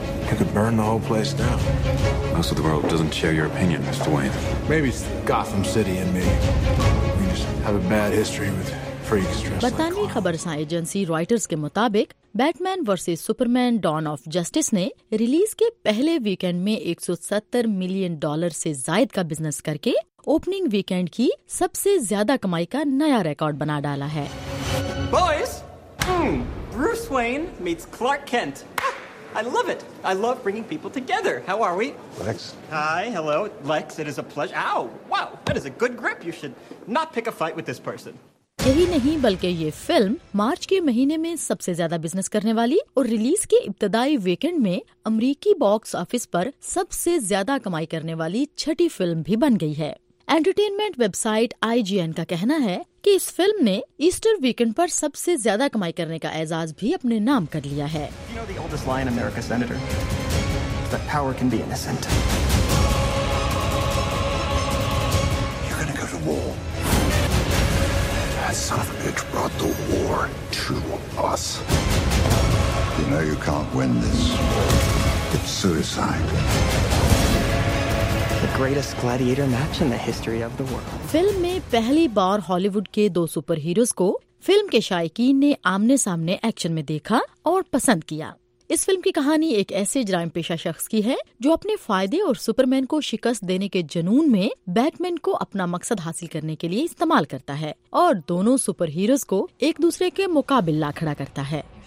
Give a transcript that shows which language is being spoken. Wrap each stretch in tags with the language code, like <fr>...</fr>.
<en>It could burn the whole place down. Most of the world doesn't share your opinion, Mr. Wayne. Maybe it's Gotham City and me. We just have a bad history with freaks dressed like clowns.</en> <ur>برطانوی خبرساں agency writers کے مطابق bat main versus super main Dawn of justice نے release کے پہلے weekend میں 170 million dollar سے زائد کا بزنس کر کے اوپننگ ویکینڈ کی سب سے زیادہ کمائی کا نیا ریکارڈ بنا ڈالا ہے۔</ur> <en>Boys, Bruce Wayne meets Clark Kent. I love it. I love bringing people together. How are we? Lex. Hi, hello. Lex, it is a pleasure. Ow, wow, that is a good grip. You should not pick a fight with this person.</en> <ur>یہی نہیں بلکہ یہ film March کے مہینے میں سب سے زیادہ business کرنے والی اور ریلیز کے ابتدائی ویکینڈ میں امریکی باکس آفس پر سب سے زیادہ کمائی کرنے والی چھٹی فلم بھی بن گئی ہے۔ انٹرٹینمنٹ ویب سائٹ IGN کا کہنا ہے کہ اس فلم نے ایسٹر ویکینڈ پر سب سے زیادہ کمائی کرنے کا اعزاز بھی اپنے نام کر لیا ہے۔</ur> <en>Son of a bitch brought the war to us. You know you can't win this. It's suicide. The greatest gladiator match in the history of the world.</en> <ur>Film میں پہلی بار ہالی ووڈ کے دو سپر ہیروز کو film کے شائقین نے آمنے سامنے ایکشن میں دیکھا اور پسند کیا۔ اس فلم کی کہانی ایک ایسے جرائم پیشہ شخص کی ہے جو اپنے فائدے اور سپرمین کو شکست دینے کے جنون میں بیٹ مین کو اپنا مقصد حاصل کرنے کے لیے استعمال کرتا ہے، اور دونوں سپر ہیروز کو ایک دوسرے کے مقابل لا کھڑا کرتا ہے۔</ur>